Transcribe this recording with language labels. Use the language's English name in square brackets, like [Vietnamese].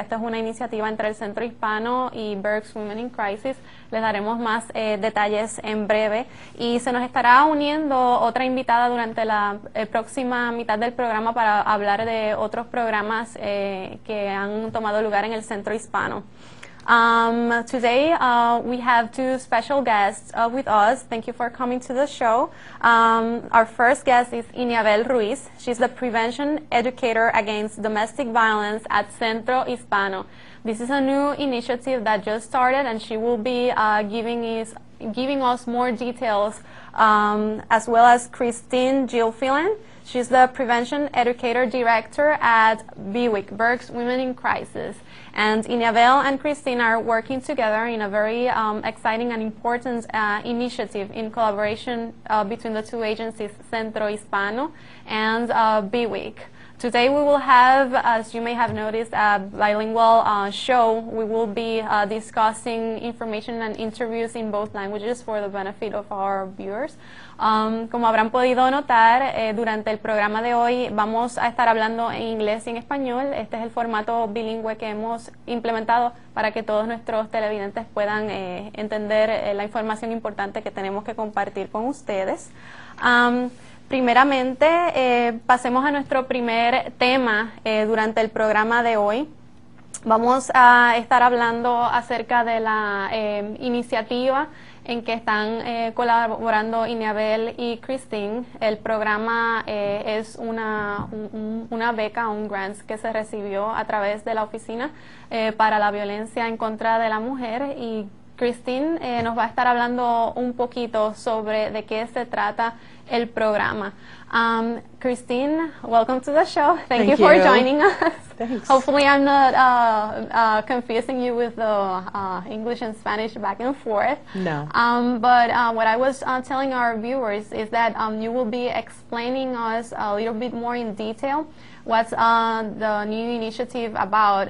[Spanish] Esta es una iniciativa entre el Centro Hispano y Berks Women in Crisis. Les daremos más detalles en breve. Y se nos estará uniendo otra invitada durante la próxima mitad del programa para hablar de otros programas que han tomado lugar en el Centro Hispano. [English] Today we have two special guests with us. Thank you for coming to the show. Our first guest is Iniabel Ruiz. She's the prevention educator against domestic violence at Centro Hispano. This is a new initiative that just started, and she will be giving us more details, as well as Christine Gilfillan. She's the prevention educator director at BWIC, Berks Women in Crisis. And Iniabel and Christine are working together in a very exciting and important initiative in collaboration between the two agencies, Centro Hispano and BWIC. Today we will have, as you may have noticed, a bilingual show. We will be discussing information and interviews in both languages for the benefit of our viewers. [Spanish] Como habrán podido notar, durante el programa de hoy vamos a estar hablando en inglés y en español. Este es el formato bilingüe que hemos implementado para que todos nuestros televidentes puedan entender la información importante que tenemos que compartir con ustedes. Primeramente, pasemos a nuestro primer tema durante el programa de hoy. Vamos a estar hablando acerca de la iniciativa en que están colaborando Iniabel y Christine. El programa es una beca, un grant que se recibió a través de la oficina para la violencia en contra de la mujer. Y Christine nos va a estar hablando un poquito sobre de qué se trata el programa. [English] Christine, welcome to the show. Thank you for joining us. Thanks. Hopefully I'm not confusing you with the English and Spanish back and forth. No. What I was telling our viewers is that you will be explaining us a little bit more in detail what's the new initiative about.